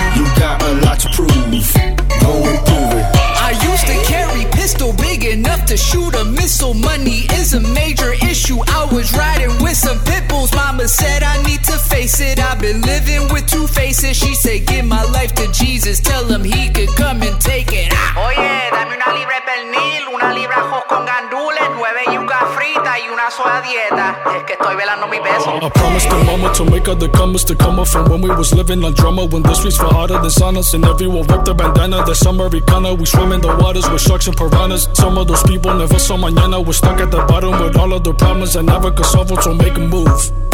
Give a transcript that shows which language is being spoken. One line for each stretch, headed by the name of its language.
English: You got a lot to prove, go and prove it. I used to carry pistol big enough to shoot a missile. Money is a major issue. I was riding with some pit bulls. Mama said I need to face it. I've been living with two faces. She said, give my life to Jesus. Tell him he could come and take it.
Spanish: Oye, dame una libra pernil, una libra ajos con gandules, nueve yuca frita y una sola dieta. Es que estoy velando mi peso.
English: I promised the mama to make other comers to come up from when we was living on drama. When the streets were hotter than saunas and everyone ripped their bandana. That summer Ricana, we swim in the waters with sharks and piranhas. Some of those people never saw mañana. We're stuck at the bottom with all of the problems I never could solve them, so make a move.